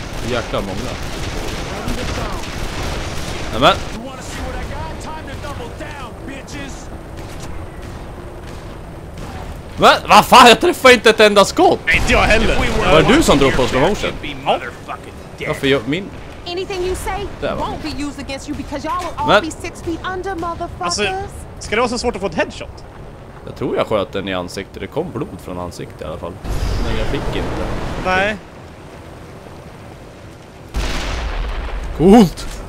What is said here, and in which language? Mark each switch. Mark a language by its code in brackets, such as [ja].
[sv] Jäkla många. Nämen. Men, vad fan, jag träffar inte ett enda skott. Nej, inte jag heller. Var det du som drog på slow motion? Ja. Varför jag, min... [en] Anything you say won't be used against you because y'all will all be 6 feet under, motherfuckers. [sv] Alltså, ska det vara så svårt att få ett headshot? Jag tror jag sköt den i ansiktet. Det kom blod från ansiktet i alla fall. Men jag fick inte. Nej. Coolt!